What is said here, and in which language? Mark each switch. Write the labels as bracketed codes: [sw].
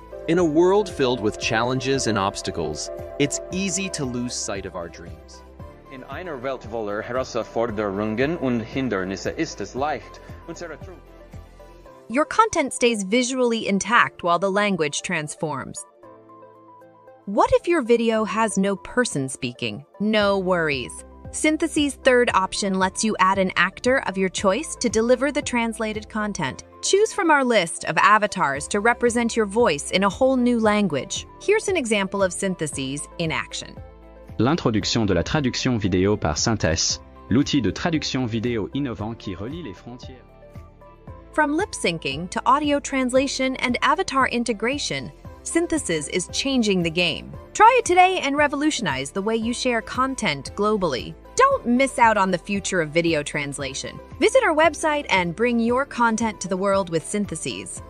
[en] In a world filled with challenges and obstacles, it's easy to lose sight of our dreams. [de] In einer Welt voller Herausforderungen und Hindernisse ist es leicht, unsere Träume. [en] Your content stays visually intact while the language transforms. What if your video has no person speaking? No worries. Synthesys' third option lets you add an actor of your choice to deliver the translated content. Choose from our list of avatars to represent your voice in a whole new language. Here's an example of Synthesys in action. [fr] L'introduction de la traduction vidéo par Synthesys, l'outil de traduction vidéo innovant qui relie les frontières. [en] From lip syncing to audio translation and avatar integration, Synthesys is changing the game. Try it today and revolutionize the way you share content globally. Don't miss out on the future of video translation. Visit our website and bring your content to the world with Synthesys.